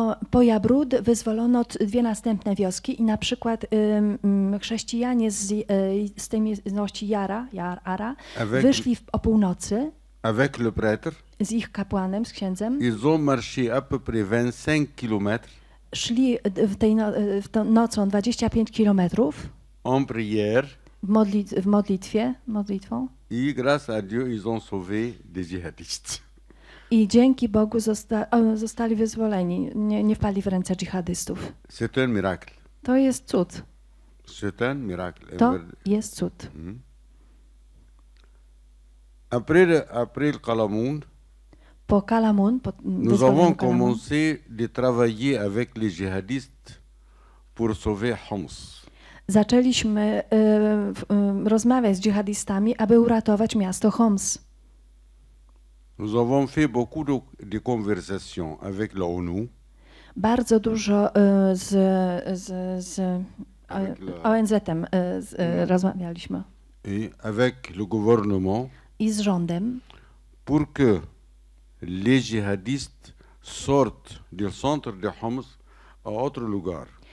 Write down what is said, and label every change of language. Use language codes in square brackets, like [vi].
[pl] Po Yabroud wyzwolono dwie następne wioski i na przykład chrześcijanie z tej miejscowości Ara wyszli o północy [fr] avec le prêtre, [pl] z ich kapłanem, z księdzem. [fr] Ils ont marché à peu près 25 kilometrów. [pl] Szli w tą nocą 25 kilometrów. [fr] En prière. [pl] W modlitwą. [fr] I grâce à Dieu, ils ont sauvé des djihadistes. [pl] I dzięki Bogu zostali wyzwoleni, nie wpadli w ręce dżihadystów. [fr] C'est un miracle. [pl] To jest cud. [fr] C'est un miracle. [pl] To jest cud. Mm. [fr] Après le Calamund, [pl] po Calamund, po [fr] nous avons commencé de travailler avec les djihadistes pour sauver Homs. [pl] Zaczęliśmy rozmawiać z dżihadistami, aby uratować miasto Homs. [fr] Nous avons fait beaucoup de conversations avec l'ONU. [pl] Bardzo dużo z ONZ-em rozmawialiśmy. [fr] Et avec le gouvernement. [pl] I z rządem. [fr] Pour que les djihadistes sortent du centre de Homs à autre lugar.